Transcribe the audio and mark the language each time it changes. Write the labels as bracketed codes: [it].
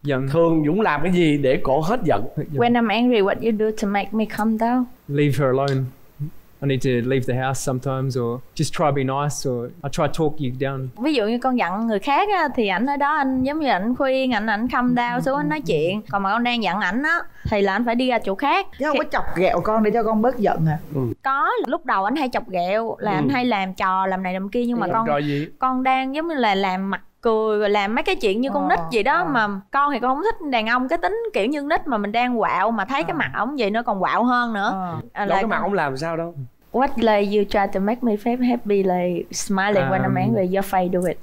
[vi] Thường Dũng làm cái gì để cổ hết giận? [en] When I'm angry, what you do to make me calm down? Leave her alone. I need to leave the house sometimes, or just try to be nice, or I try to talk you down. [vi] Ví dụ như con giận người khác á, thì ảnh ở đó anh giống như ảnh khuyên, ảnh calm down xuống, anh nói chuyện. Còn mà con đang giận ảnh á, thì là anh phải đi ra chỗ khác. Chứ không có chọc ghẹo con để cho con bớt giận hả? Có, lúc đầu anh hay chọc ghẹo, là anh hay làm trò, làm này làm kia, nhưng mà con đang giống như là làm mặt cười, làm mấy cái chuyện như con nít vậy đó. Mà con thì con không thích đàn ông cái tính kiểu như nít, mà mình đang quạo mà thấy cái mặt ổng vậy nó còn quạo hơn nữa. Cái mặt ổng làm sao đâu. [en] What like you try to make me feel happy, like smiling when I'm angry, your face do it.